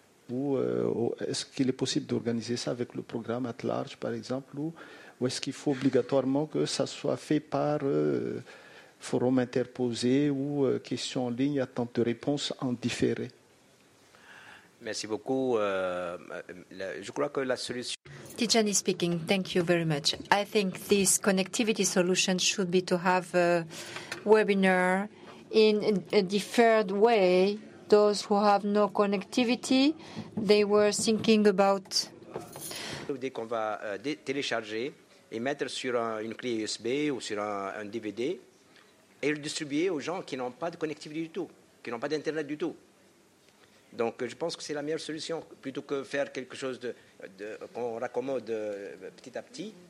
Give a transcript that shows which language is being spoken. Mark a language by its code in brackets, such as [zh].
[fr] Ou est-ce qu'il est possible d'organiser ça avec le programme At Large, par exemple, ou est-ce qu'il faut obligatoirement que ça soit fait par forum interposé ou questions en ligne, attente de réponse en différé? Merci beaucoup. Je crois que la solution... [en] Tijani speaking. Thank you very much. I think this connectivity solution should be to have a webinar in a deferred way. Those who have no connectivity, they were thinking about... [fr] Dès qu'on va télécharger et mettre sur une clé USB ou sur un DVD et le distribuer aux gens qui n'ont pas de connectivité du tout, qui n'ont pas d'Internet du tout. Donc je pense que c'est la meilleure solution, plutôt que faire quelque chose de qu'on raccommode petit à petit.